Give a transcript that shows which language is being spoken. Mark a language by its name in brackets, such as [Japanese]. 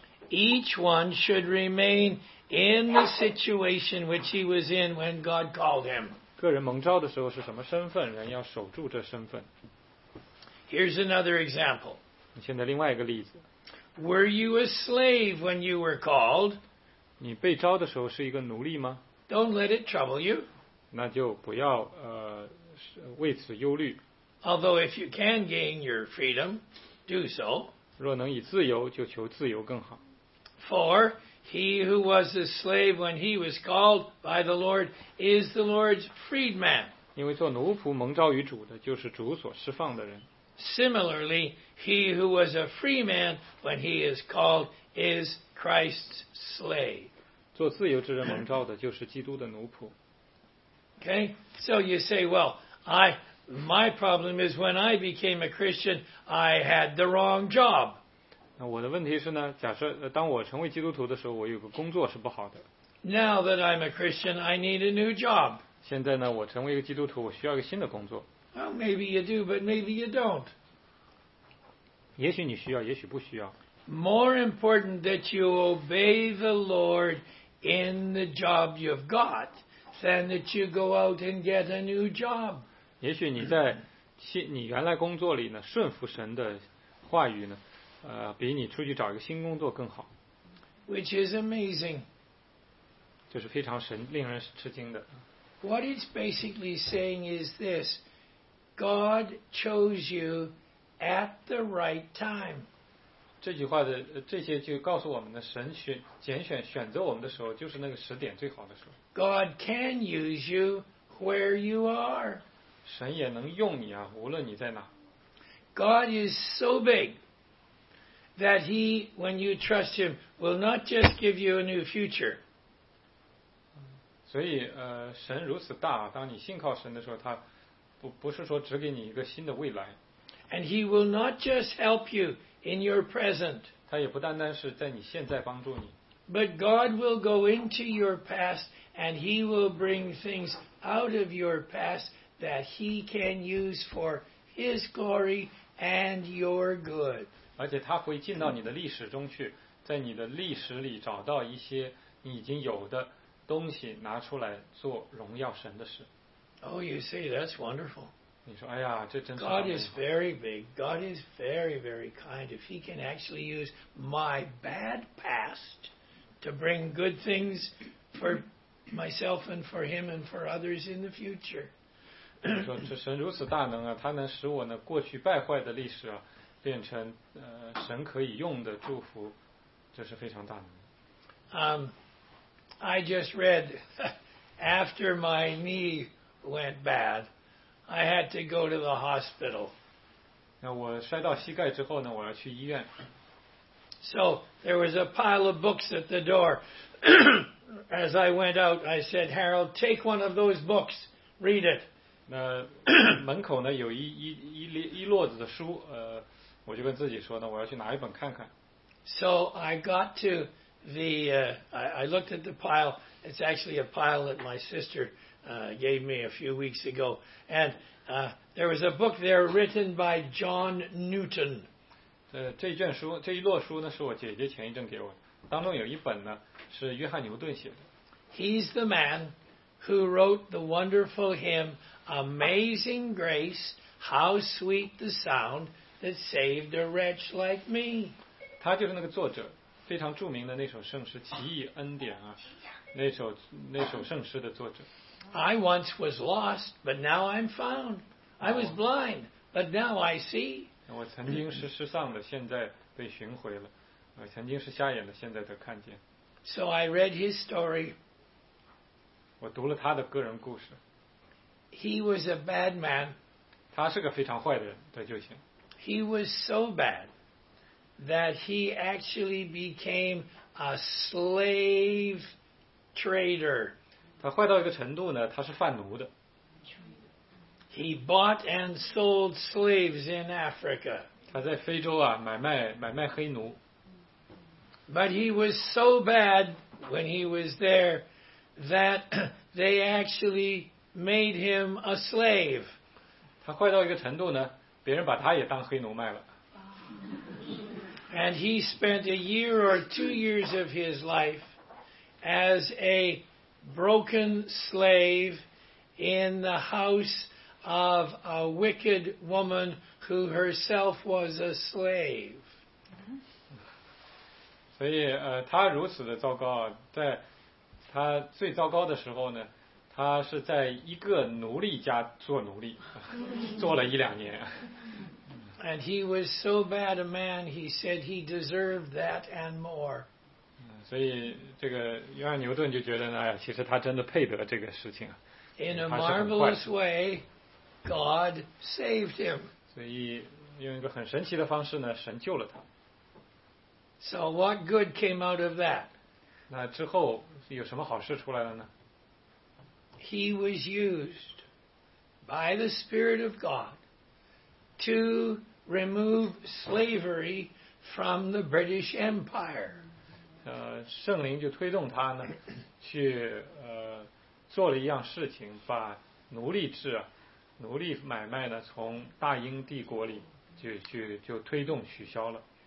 [English] Each one should remain in the situation which he was in when God called him. [Chinese] 个人蒙召的时候是什么身份，人要守住这身份。 [English] Here's another example. [Chinese] 现在另外一个例子。 [English] Were you a slave when you were called? [Chinese] 你被召的时候是一个奴隶吗？ [English] Don't let it trouble you. [Chinese] 那就不要为此忧虑。 [English] Although if you can gain your freedom, do so. [Chinese] 若能以自由，就求自由更好。 [English] For he who was a slave when he was called by the Lord is the Lord's freedman. [Chinese] 因为做奴仆蒙召于主的，就是主所释放的人。 [English] Similarly, he who was a free man when he is called is Christ's slave. [Chinese] 做自由之人蒙召的就是基督的奴仆。 [English] Okay, so you say, well, my problem is when I became a Christian, I had the wrong job. [Chinese] 那我的问题是呢，假设当我成为基督徒的时候，我有个工作是不好的。 [English] Now that I'm a Christian, I need a new job. [Chinese] 现在呢，我成为一个基督徒，我需要一个新的工作。 [English] Well, maybe you do, but maybe you don't. [Chinese] 也许你需要，也许不需要。 [English] More important that you obey the Lord in the job you've got than that you go out and get a new job. [Chinese] 也许你在你原来工作里呢，顺服神的话语呢，比你出去找一个新工作更好。 [English] Which is amazing. [Chinese] 就是非常神，令人吃惊的。 [English] What it's basically saying is this. God chose you at the right time. [Chinese] 这句话的这些就告诉我们的神选拣选选择我们的时候就是那个时点最好的时候 [English] God can use you where you are [Chinese] 神也能用你啊无论你在哪 [English] God is so big that he when you trust him will not just give you a new future [Chinese] 所以神如此大当你信靠神的时候他不是说只给你一个新的未来 [English] and he will not just help youIn your present, [Chinese] 他也不单单是在你现在帮助你。 [English] But God will go into your past and he will bring things out of your past that he can use for his glory and your good. [Chinese] 而且他会进到你的历史中去，在你的历史里找到一些你已经有的东西，拿出来做荣耀神的事。 [English] Oh, you see, that's wonderful. [Chinese] 你说哎呀这真是 [English] God is very big. God is very, very kind. If he can actually use my bad past to bring good things for myself and for him and for others in the future. [Chinese] 你说这神如此大能啊他能使我呢过去败坏的历史啊变成神可以用的祝福这是非常大能。 [English] I just read after my knee went bad. I had to go to the hospital. [Chinese] 那我摔到膝盖之后呢，我要去医院。 [English] So there was a pile of books at the door. As I went out, I said, "Harold, take one of those books, read it." [Chinese] 那门口呢有一摞子的书，我就跟自己说呢，我要去拿一本看看。 [English] So I got to the, I looked at the pile. It's actually a pile that my sister. Gave me a few weeks ago, and there was a book there written by John Newton. [Chinese] 这卷书这一摞书呢是我姐姐前一阵给我的，当中有一本呢是约翰牛顿写的。 [English] He's the man who wrote the wonderful hymn "Amazing Grace, How Sweet the Sound That Saved a Wretch Like Me." [Chinese] 他就是那个作者，非常著名的那首圣诗《奇异恩典》啊，那首圣诗的作者。 [English] I once was lost, but now I'm found. I was blind, but now I see. [Chinese] 我曾经是失丧的，现在被寻回了。我曾经是瞎眼的，现在才看见。 [English] So I read his story. [Chinese] 我读了他的个人故事。 [English] He was a bad man. [Chinese] 他是个非常坏的人，对就行。 [English] He was so bad that he actually became a slave trader. [Chinese] 他坏到一个程度呢，他是贩奴的。 [English] He bought and sold slaves in Africa. [Chinese] 他在非洲啊，买卖黑奴。 [English] But he was so bad when he was there that they actually made him a slave. [Chinese] 他坏到一个程度呢，别人把他也当黑奴卖了。 [English] And he spent a year or 2 years of his life as a broken slave in the house of a wicked woman who herself was a slave. [Chinese] 所以他如此的糟糕在他最糟糕的时候呢他是在一个奴隶家做奴隶做了一两年。 [English] And he was so bad a man, he said he deserved that and more. [Chinese] 所以这个约翰牛顿就觉得呢，其实他真的配得这个事情啊。 [English] In a marvelous way, God saved him. [Chinese] 所以用一个很神奇的方式呢，神救了他。 [English] So what good came out of that? [Chinese] 那之后有什么好事出来了呢 [English] ？He was used by the Spirit of God to remove slavery from the British Empire. [Chinese] 圣灵就推动他呢去做了一样事情把奴隶制奴隶买卖呢从大英帝国里就推动取消了。